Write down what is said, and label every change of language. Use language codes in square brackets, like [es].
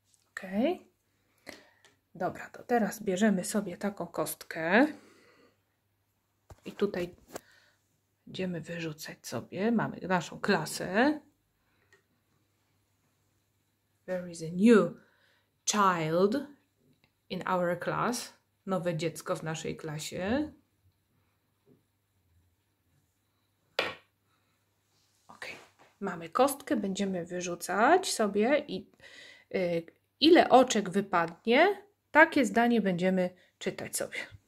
[pl] Ok. Dobra, to teraz bierzemy sobie taką kostkę. I tutaj będziemy wyrzucać sobie. Mamy naszą klasę. [en] There is a new child in our class. [pl] Nowe dziecko w naszej klasie. Ok. Mamy kostkę, będziemy wyrzucać sobie i ile oczek wypadnie, takie zdanie będziemy czytać sobie.